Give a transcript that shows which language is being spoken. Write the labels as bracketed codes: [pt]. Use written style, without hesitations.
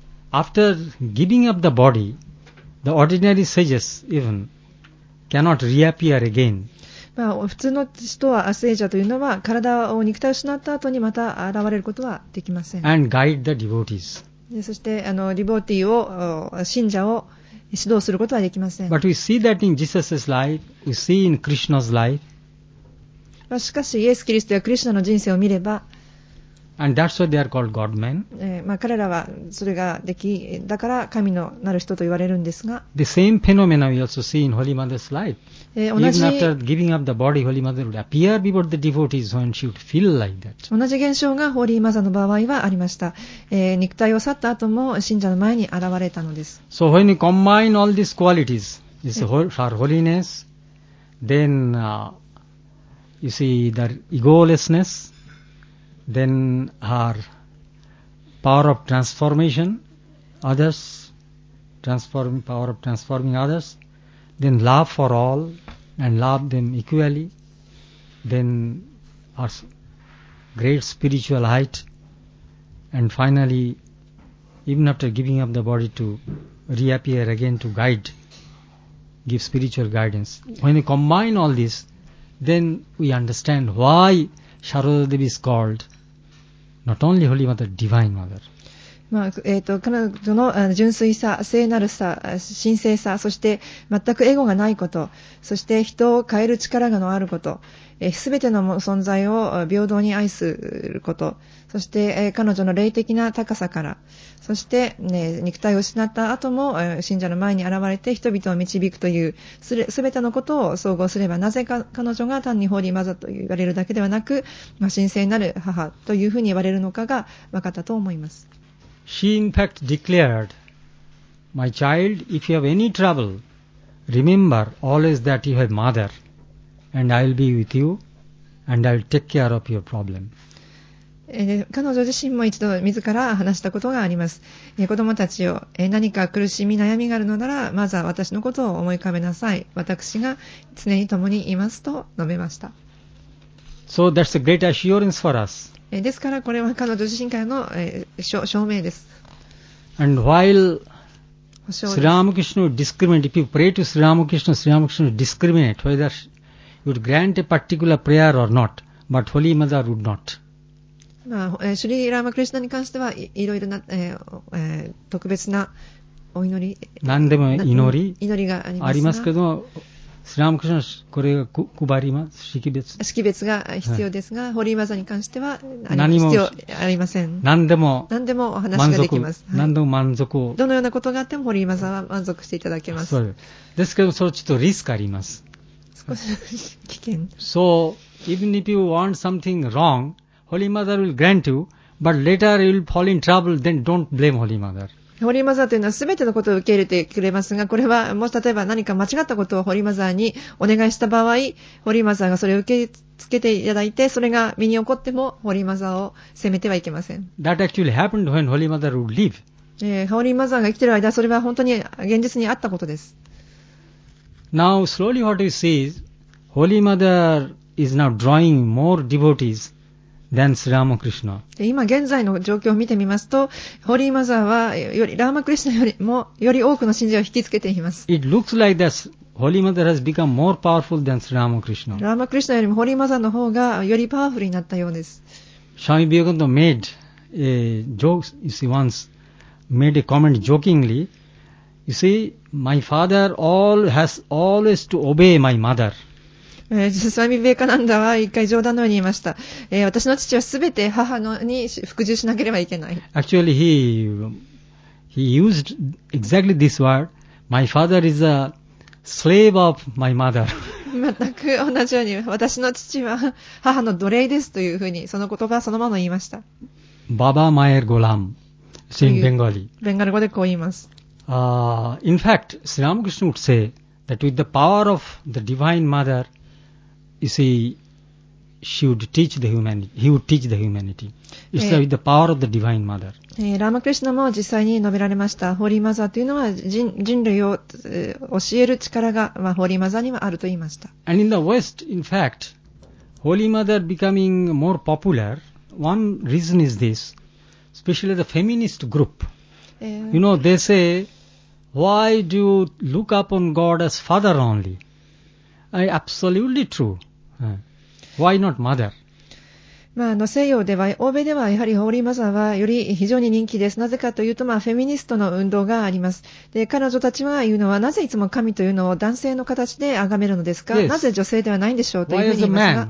[en] After giving up the body,The ordinary sages even cannot reappear again. [ja] まあ普通の人は聖者というのは体を肉体を失った後にまた現れることはできません。 [en] And guide the devotees. [ja] そしてディボーティーを信者を指導することはできません。 [en] But we see that in Jesus's life, we see in Krishna's life. [ja] まあしかしイエス・キリストやクリシュナの人生を見れば。 [en] And that's why they are called God-men. [ja] まあ彼らはそれができだから神のなる人と言われるんですが。 [en] The same phenomena we also see in Holy Mother's life. [ja] 同じ [en] Even after giving up the body, Holy Mother would appear before the devotees when she would feel like that. [ja] 同じ現象がホーリーマザーの場合はありました。肉体を去った後も信者の前に現れたのです。 [en] So when you combine all these qualities, this her holiness, then you see the egolessness. Then her power of transformation, others, transforming power of transforming others, then love for all and love them equally, then her great spiritual height, and finally, even after giving up the body to reappear again to guide, give spiritual guidance. When you combine all this, then we understand why Sharada Devi is called. Not only Holy Mother, Divine Mother. [ja] まあ彼女の純粋さ、聖なるさ、神聖さ、そして全くエゴがないこと、そして人を変える力があること、すべての存在を平等に愛すこと、そして彼女の霊的な高さから、そして、ね、肉体を失った後も信者の前に現れて人々を導くというすべてのことを総合すれば、なぜか彼女が単にホーリーマザーと言われるだけではなく、まあ、神聖なる母というふうに言われるのかが分かったと思います。 [en] She in fact declared, My child, if you have any trouble, remember always that you have mother, and I will be with you, and I will take care of your problem. [ja] 彼女自身も一度自ら話したことがあります。子供たちを、何か苦しみ、悩みがあるのなら、まずは私のことを思い浮かべなさい。私が常に共にいますと述べました。 [en] So that's a great assurance for us. [ja] ですからこれは彼女自身からの、証明です。 [en] And while Sri Ramakrishna would discriminate, if you pray to Sri Ramakrishna, Sri Ramakrishna would discriminate whether he would grant a particular prayer or not, but Holy Mother would not. [ja] まあ、シュリー・ラーマ・クリシュナに関してはいろいろな、特別なお祈り、何でも祈り、祈りがありますが、ありますけども、スラムクシナこれが配ります識別識別が必要ですが、はい、ホリーマザに関しては何も必要ありません。何でも話ができます。何でも満足を、はい、どのようなことがあってもホリーマザは満足していただけます。そうです。ですけどそれちょっとリスクあります。少し危険。 [en] So even if you want something wrong, Holy Mother will grant you, but later you will fall in trouble, then don't blame Holy Mother [ja] ホリーマザーというのはすべてのことを受け入れてくれますが、これはもし例えば何か間違ったことをホリーマザーにお願いした場合、ホリーマザーがそれを受け付けていただいて、それが身に起こってもホリーマザーを責めてはいけません。 [en] That actually happened when Holy Mother would live. [ja] ホリーマザーが生きている間、それは本当に現実にあったことです。 [en] Now slowly what you see is, Holy Mother is now drawing more devotees. Then Sri Ramakrishna. [ja] 今現在の状況を見てみますと、ホーリーマザーはよりラーマクリシナよりもより多くの信者を引きつけています。 [en] It looks like that Holy Mother has become more powerful than Sri Ramakrishna. [ja] ラーマクリシナよりもホーリーマザーの方がよりパワフルになったようです。 [en] Swami Vivekananda made a joke, you see, once made a comment jokingly, You see, my father all has always to obey my mother. [ja] スワミベーカナンダは一回冗談のように言いました。私の父はすべて母のに服従しなければいけない。 [en] Actually, he used exactly this word. My father is a slave of my mother. [ja] 全く同じように私の父は母の奴隷ですというふうにその言葉そのまま言いました。 [bn] ババマエルゴラム、 [en] in Bengali. [ja] ベンガル語でこう言います。 [en] In fact, Sri Ramakrishna would say that with the power of the divine mother, you see, he would teach the humanity. It's with the power of the divine mother. [ja] ラマクリシナも実際に述べられました。ホーリーマザーというのは 人類を教える力が、まあ、ホーリーマザーにはあると言いました。 [en] And in the West, in fact, Holy Mother becoming more popular, one reason is this, especially the feminist group. You know, they say, why do you look upon God as father only? Absolutely true. Why not mother? [ja] まあ、西洋では、欧米ではやはりホーリーマザーはより非常に人気です。なぜかというと、まあ、フェミニストの運動があります。で、彼女たちは言うのは、なぜいつも神というのを男性の形で崇めるのですか、 [en] yes. [ja] なぜ女性ではないんでしょうというふうに言いますが。